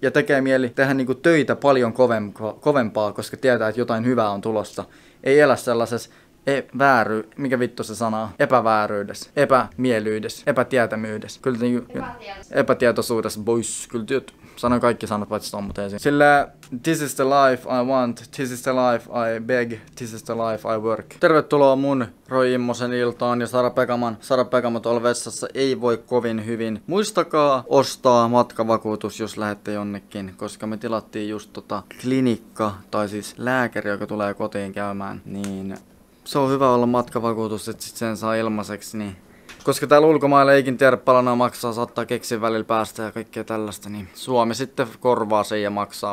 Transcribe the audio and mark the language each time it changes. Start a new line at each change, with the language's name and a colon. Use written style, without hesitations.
Finnish: Ja tekee mieli tehdä niinku töitä paljon kovempaa, koska tietää, että jotain hyvää on tulossa. Ei elä sellaisessa mikä vittu se sana on? Epävääryydessä, epämielyydessä, epätietämyydessä. Kyllä niin, epätietoisuudessa, boys, kyllä tiedät. Sanoin kaikki sanat, paitsi tuon muuten esiin. Sillä
English: this is the life I want, this is the life I beg, this is the life I work.
Finnish: Tervetuloa mun Roy Immosen iltaan ja Sara Pekaman. Sara Pekama tuolla vessassa ei voi kovin hyvin. Muistakaa ostaa matkavakuutus, jos lähette jonnekin, koska me tilattiin just klinikka, tai siis lääkäri, joka tulee kotiin käymään, niin se on hyvä olla matkavakuutus, että sit sen saa ilmaiseksi, niin koska täällä ulkomailla eikin tiedä palana maksaa, saattaa keksin välillä päästä ja kaikkea tällaista, niin Suomi sitten korvaa sen ja maksaa.